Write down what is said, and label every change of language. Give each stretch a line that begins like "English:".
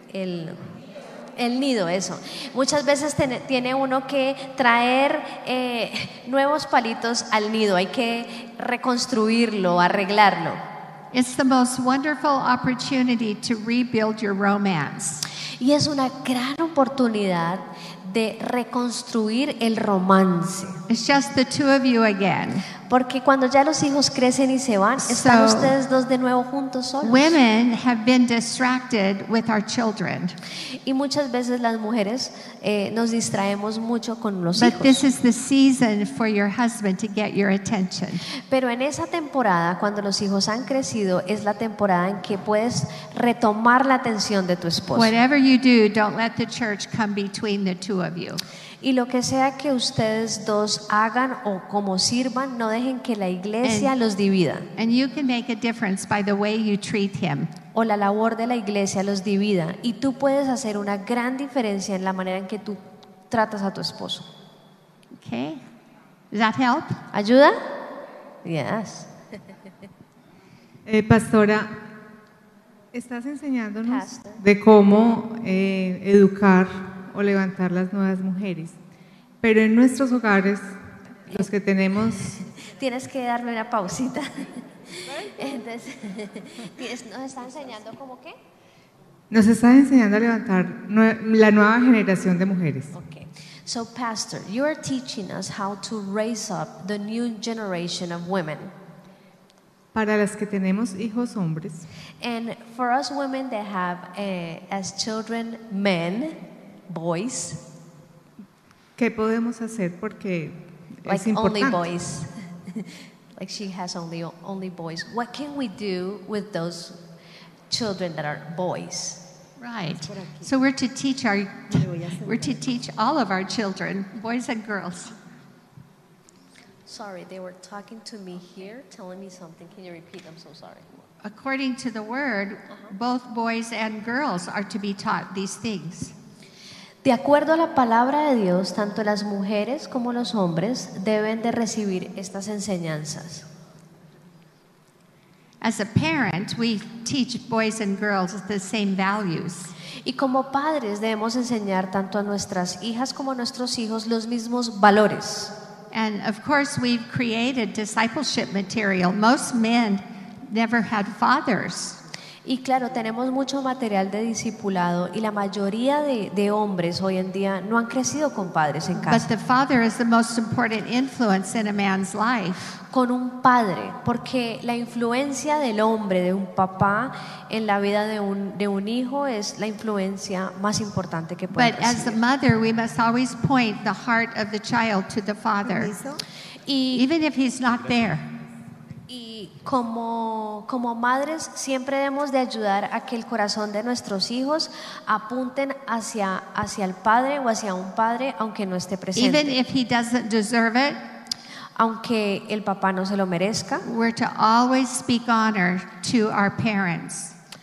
Spanish: El nido, eso. Muchas veces tiene uno que traer nuevos palitos al nido. Hay que reconstruirlo, arreglarlo.
English: It's the most wonderful opportunity to rebuild your romance.
Spanish: Y es una gran oportunidad de reconstruir el romance.
English: It's just the two of you again.
Spanish: Porque cuando ya los hijos crecen y se van, están ustedes dos de nuevo juntos solos.
English: Women have been distracted with our children.
Spanish: Y muchas veces las mujeres nos distraemos mucho con los hijos.
English: But this is the season for your husband to get your attention.
Spanish: Pero en esa temporada, cuando los hijos han crecido, es la temporada en que puedes retomar la atención de tu esposo.
English: Whatever you do, don't let the church come between the two of you.
Spanish: Y lo que sea que ustedes dos hagan o como sirvan, no dejen que la iglesia los divida.
English: And you can make a difference by the way you treat him.
Spanish: O la labor de la iglesia los divida. Y tú puedes hacer una gran diferencia en la manera en que tú tratas a tu esposo.
English: Okay. Does that help?
Spanish: ¿Ayuda?
English: Yes.
Spanish: Pastora, estás enseñándonos Pastor. De cómo educar o levantar las nuevas mujeres. Pero en nuestros hogares, los que tenemos... Tienes que darle una pausita. Entonces, ¿nos está enseñando cómo qué? Nos está enseñando a levantar la nueva generación de mujeres.
English: Okay. So, Pastor, you are teaching us how to raise up the new generation of women.
Spanish: Para las que tenemos hijos hombres.
English: And for us women that have, as children, men... Boys,
Spanish: ¿qué podemos hacer? Porque
English: like
Spanish: es importante.
English: Only boys, like she has only boys. What can we do with those children that are boys? Right. So we're to teach our all of our children, boys and girls. Sorry, they were talking to me here, telling me something. Can you repeat? I'm so sorry. According to the word, both boys and girls are to be taught these things.
Spanish: De acuerdo a la palabra de Dios, tanto las mujeres como los hombres deben de recibir estas enseñanzas.
English: As a parent, we teach boys and girls the same values.
Spanish: Y como padres debemos enseñar tanto a nuestras hijas como a nuestros hijos los mismos valores.
English: And of course, we've created discipleship material. Most men never had fathers.
Spanish: Y claro, tenemos mucho material de discipulado y la mayoría de hombres hoy en día no han crecido con padres en casa.
English: But the father is the most important influence in a man's life.
Spanish: Con un padre, porque la influencia del hombre, de un papá, en la vida de un hijo es la influencia más importante que puede recibir.
English: But as a mother, we must always point the heart of the child to the father, even if he's not there.
Spanish: Y como madres siempre debemos de ayudar a que el corazón de nuestros hijos apunten hacia el padre o hacia un padre aunque no esté presente.
English: Even if he doesn't deserve it,
Spanish: aunque el papá no se lo merezca,
English: we're to always speak honor to our parents.